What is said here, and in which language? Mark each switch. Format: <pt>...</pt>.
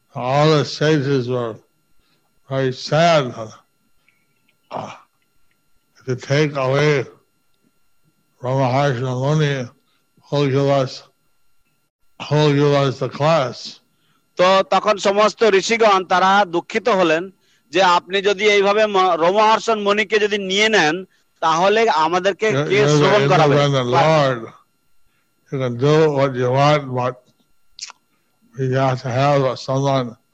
<en>All the sages were very sad. If you take away Ramaharsha Muni, who will give us the class?</en> <bn>So, তখন সমস্ত ঋষিগণ তারা দুঃখিত হলেন যে আপনি যদি এইভাবে রমহর্ষ মুনিকে যদি নিয়ে নেন তাহলে আমাদেরকে কে শ্রবণ করাবেন?</bn> <en>Lord, you can do what you want, but we have to have someone.</en>